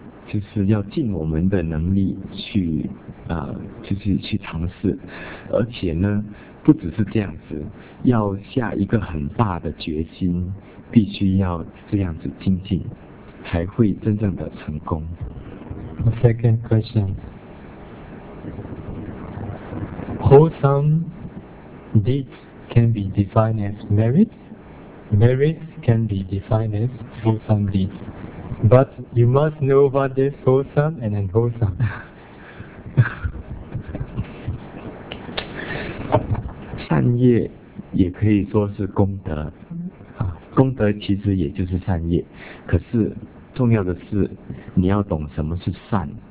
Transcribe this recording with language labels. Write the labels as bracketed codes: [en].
[zh] 就是要尽我们的能力去就是去尝试，而且呢不只是这样子，要下一个很大的决心，必须要这样子精进，才会真正的成功。 [en] The second question, wholesome deeds can be defined as merit, merit can be defined as wholesome deedsBut you must know what is wholesome and unwholesome. [zh] 善业也可以说是功德，功德其实也就是善业，可是重要的是你要懂什么是善。